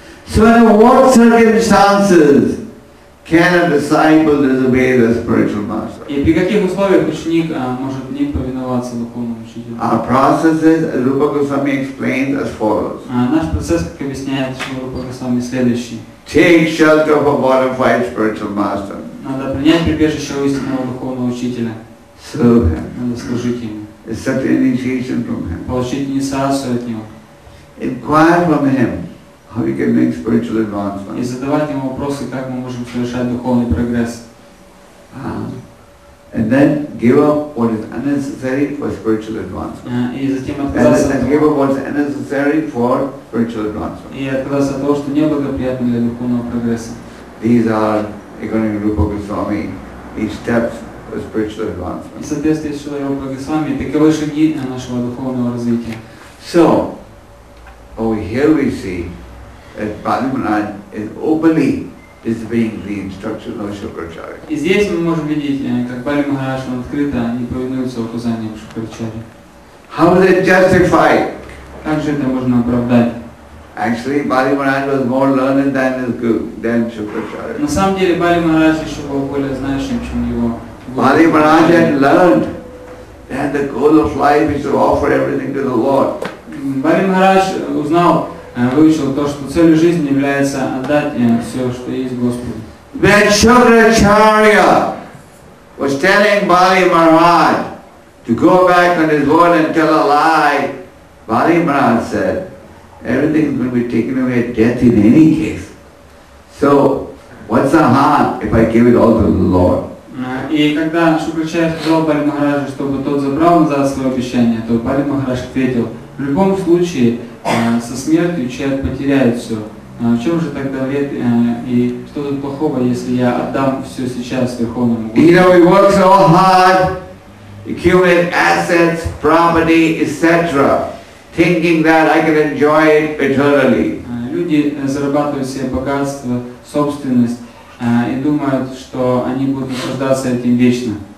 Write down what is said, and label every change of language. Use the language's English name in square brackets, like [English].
[English] So in what circumstances can a disciple disobey the spiritual master? [Russian] И при каких условиях ученик может не повиноваться духовному учителю? [English] Our process is, as Rupa Goswami explains, as follows. [Russian] Наш процесс, как объясняет Рупа Госвами, следующий. [English] Take shelter of a bona fide spiritual master. [Russian] Надо принять прибежище у истинного духовного учителя. [English] Serve him. [Russian] Надо служить ему. [English] Accept initiation from him. [Russian] Получить инициацию от него. [English] Inquire from him how we can make spiritual advancement. [Russian] И задавать ему вопросы, как мы можем совершать духовный прогресс. [English] And then give up what is unnecessary for spiritual advancement. [Russian] И затем отказаться от того, [English] give up what is unnecessary for spiritual advancement. [Russian] И отказаться от того, что неблагоприятно для духовного прогресса. [English] These are, according to Rupa Goswami, these steps of spiritual advancement. [Russian] И соответствие с Рупа Госвами, таковы шаги для нашего духовного развития. [English] So, over here we see that Bali Maharaj is openly disobeying the instructions of Shukracharya. [Russian] И здесь мы можем видеть, как Бали Махарадж открыто не повинуется указаниям Шукрачарьи. [English] How is it justified? [Russian] Как же это можно оправдать? [English] Actually, Bali Maharaj was more learned than his guru, than Shukracharya. [Russian] На самом деле Бали Махарадж еще был более знающим, чем его. [English] Bali Maharaj had learned that the goal of life is to offer everything to the Lord. [Russian] Бали Махарадж узнал, выучил то, что целью жизни является отдать все, что есть Господу. [English] When Shukracharya was telling Bali Maharaj to go back on his word and tell a lie, Bali Maharaj said, everything is going to be taken away at death in any case. So, what's the harm if I give it all to the Lord? [Russian] И когда Шукрачарь сказал Пари Махараджу, чтобы тот забрал назад свое обещание, то Пари Махарадж ответил, в любом случае со смертью человек потеряет все. В чем же тогда вред и что тут плохого, если я отдам все сейчас Верховному Господу? [English] You know, he works so hard, accumulate assets, property, etc., thinking that I can enjoy it eternally. [Russian] Люди зарабатывают себе богатство, собственность, и думают, что они будут наслаждаться этим вечно.